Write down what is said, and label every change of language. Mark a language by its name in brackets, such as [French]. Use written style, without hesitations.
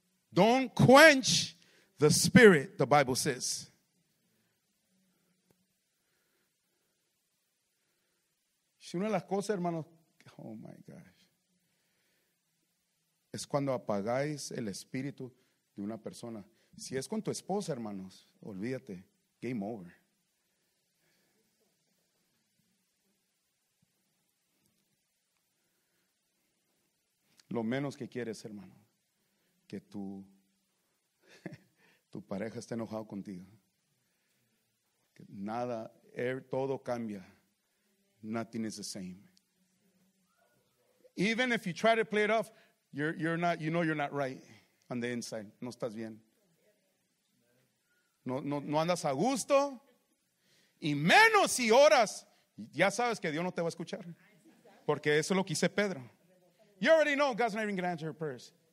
[English] Don't quench the Spirit, the Bible says. [Spanish] Si una de las cosas, hermanos, [English] oh my gosh, [Spanish] es cuando apagáis el Espíritu de una persona. Si es con tu esposa, hermanos, olvídate, game over. Lo menos que quieres, hermano, que tu pareja esté enojado contigo. Que nada, todo cambia. [English] Nothing is the same. Even if you try to play it off, you're not, you know you're not right on the inside. [Spanish] No estás bien. No andas a gusto. Y menos si oras, ya sabes que Dios no te va a escuchar. Porque eso es lo que hice Pedro. [English] You already know God's not even going to answer your prayers.